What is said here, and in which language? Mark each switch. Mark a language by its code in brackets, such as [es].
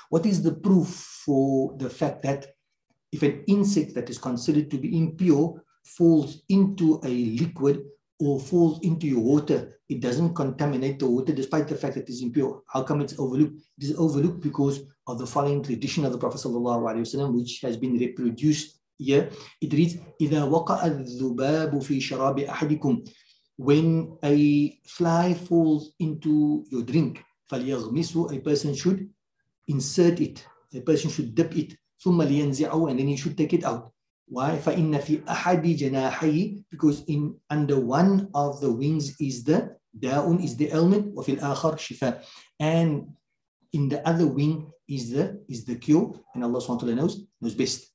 [en] What is the proof for the fact that if an insect that is considered to be impure falls into a liquid or falls into your water, it doesn't contaminate the water despite the fact that it is impure? How come it's overlooked? It is overlooked because of the following tradition of the Prophet sallallahu alaihi wasallam, which has been reproduced here. It reads, [ar] إِذَا وَقَعَ الذُّبَابُ فِي شَرَابِ أَحَدِكُمْ. [en] When a fly falls into your drink, [ar] فَلْيَغْمِسُ, [en] a person should insert it, a person should dip it, [ar] ثُمَّ لِيَنْزِعُ, [en] and then he should take it out. Why? [ar] فَإِنَّ فِي أَحَدِ جَنَاحَيِ, [en] because in under one of the wings is the da'un, is the ailment, [ar] وَفِي الْآخَرْ شِفَى, [en] and in the other wing is the cure, and Allah subhanahu wa ta'ala knows best.